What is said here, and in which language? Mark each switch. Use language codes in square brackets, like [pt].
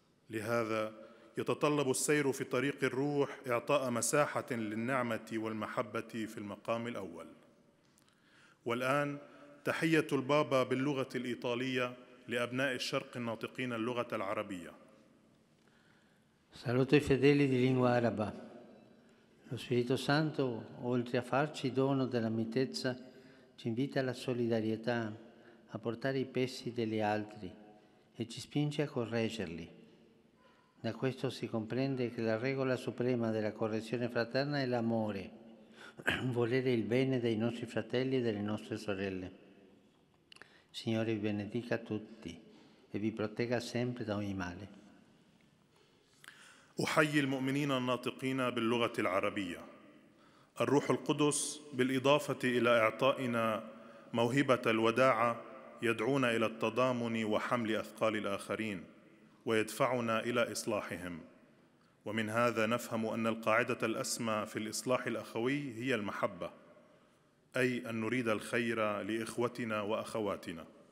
[ar] لهذا يتطلب السير في طريق الروح إعطاء مساحة للنعمة والمحبة في المقام الأول. والآن تحية البابا باللغة الإيطالية لأبناء الشرق الناطقين اللغة العربية. [it] Saluto i fedeli di lingua araba. Lo Spirito Santo, oltre a farci dono della mitezza, ci invita alla solidarietà, a portare i pesi degli altri e ci spinge a correggerli. Da questo si comprende che la regola suprema della correzione fraterna è l'amore, volere il bene dei nostri fratelli e delle nostre sorelle. Signore, vi benedica tutti e vi protegga sempre da ogni male. [ar] أحيي المؤمنين الناطقين باللغة العربية. الروح القدس بالإضافة إلى إعطائنا موهبة الوداعة يدعونا إلى التضامن وحمل أثقال الآخرين ويدفعنا إلى إصلاحهم، ومن هذا نفهم أن القاعدة الأسمى في الإصلاح الأخوي هي المحبة، أي أن نريد الخير لإخوتنا وأخواتنا.